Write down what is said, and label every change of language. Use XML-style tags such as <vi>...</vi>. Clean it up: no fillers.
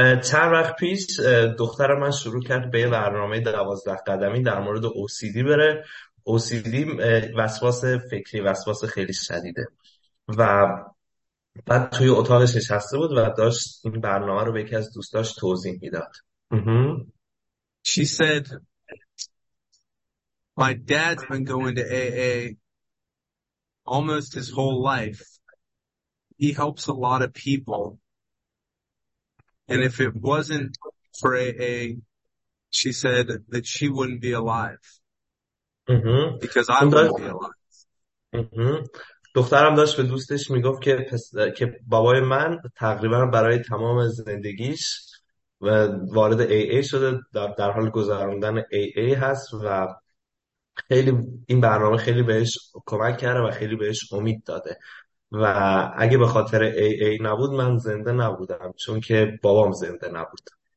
<fa>چند وقت پیش دختر من شروع کرد به برنامه 12 قدمی در مورد OCD بره. OCD وسواس فکری، وسواس خیلی شدیده، و بعد توی اتاقش نشسته بود و داشت این برنامه رو به یکی از دوستاش توضیح میداد.</fa> <en>She said, my dad's been going to AA almost his whole life. He helps a lot of people. And if it wasn't for AA, she said that she wouldn't be alive. Because I wouldn't be alive.</en> <fa>دخترم داشت به دوستش میگفت که بابای من تقریبا برای تمام زندگیش و وارد AA شده، در حال گذراندن AA هست و خیلی این برنامه خیلی بهش کمک کرده و خیلی بهش امید داده و اگه به خاطر AA نبود من زنده نبودم، چون که بابام زنده نبود.</fa>